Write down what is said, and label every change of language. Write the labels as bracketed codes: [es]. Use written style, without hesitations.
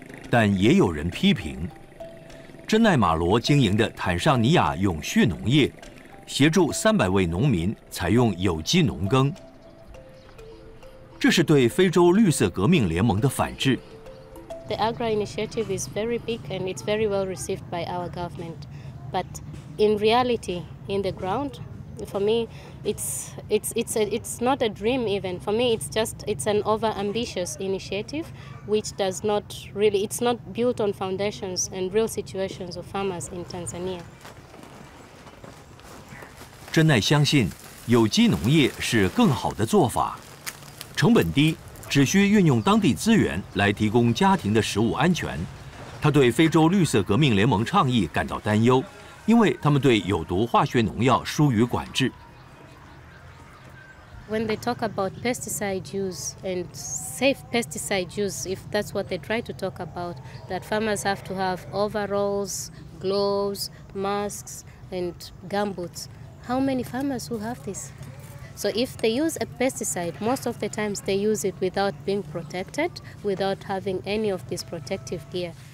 [zh] 但也有人批评，珍爱马罗经营的坦桑尼亚永续农业，协助300位农民采用有机农耕，这是对非洲绿色革命联盟的反制。 [en] The Agra initiative is very big and it's very well received by our government, but in reality, in the ground, for me, it's not a dream even. For me, it's an over ambitious initiative, which does not really, it's not built on foundations and real situations of farmers in Tanzania. [zh] 珍奈相信，有机农业是更好的做法，成本低。只需运用当地资源来提供家庭的食物安全。他对非洲绿色革命联盟倡议感到担忧，因为他们对有毒化学农药疏于管制。 [en] When they talk about pesticide use and safe pesticide use, if that's what they try to talk about, that farmers have to have overalls, gloves, masks, and gumboots. How many farmers will have this? So if they use a pesticide, most of the times they use it without being protected, without having any of this protective gear.